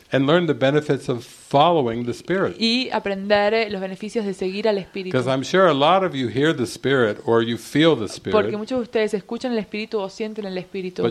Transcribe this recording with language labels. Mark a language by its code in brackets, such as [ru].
[en] And learn the benefits of following the Spirit. [es] Y aprender los beneficios de seguir al Espíritu. [en] Because I'm sure a lot of you hear the Spirit or you feel the Spirit. [es] Porque muchos de ustedes escuchan el Espíritu o sienten el Espíritu.